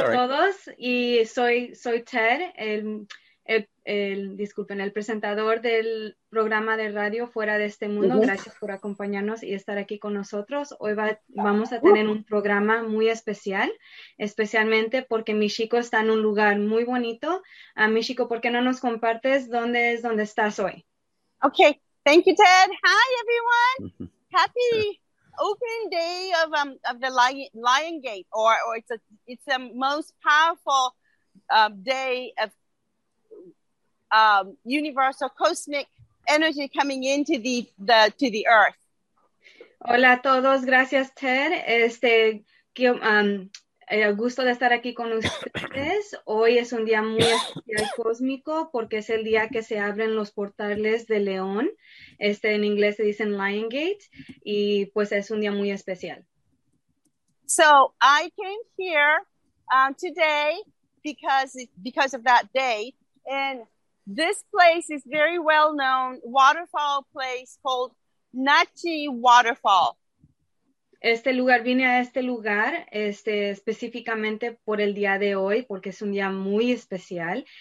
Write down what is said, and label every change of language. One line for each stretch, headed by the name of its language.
Spanish: a todos, y soy Ted, el presentador del programa de radio Fuera de Este Mundo. Uh-huh. Gracias por acompañarnos y estar aquí con nosotros. Hoy vamos a tener un programa muy especial, especialmente porque Michiko está en un lugar muy bonito. Michiko, ¿por qué no nos compartes dónde estás hoy?
English: Okay, thank you, Ted. Hi, everyone. Happy open day of the Lion Gate, or it's the most powerful day of universal cosmic energy coming into the earth.
Spanish: Hola a todos, gracias Ted. El gusto de estar aquí con ustedes. Hoy es un día muy especial cósmico porque es el día que se abren los portales de León. En inglés se dicen Lion Gate, y pues es un día muy especial.
English: So I came here today because of that day, and this place is very well known waterfall place called Nachi Waterfall.
Spanish: Este lugar, vine a este lugar específicamente por el día de hoy, porque es un día muy especial.